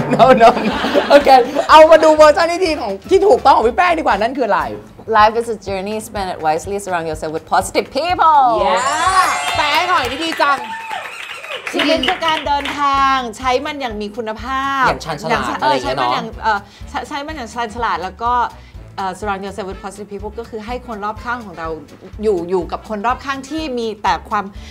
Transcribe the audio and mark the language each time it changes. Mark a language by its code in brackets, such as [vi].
[th] no okay เอามาดูเวอร์ชันที่ดีของที่ถูกต้องของพี่แป้งดีกว่านั่นคือ [en] life is a journey spend it wisely surround yourself with positive people [th] yeah แป้งหน่อยดีจัง ชีวิตคือการเดินทางใช้มันอย่างมีคุณภาพ อย่างฉลาดอะไรอย่างเงี้ ยเนาะ ใช้มันอย่างฉลาดแล้วก็ [en] surround yourself with positive people [th] ก็คือให้คนรอบข้างของเราอยู่กับคนรอบข้างที่มีแต่ความ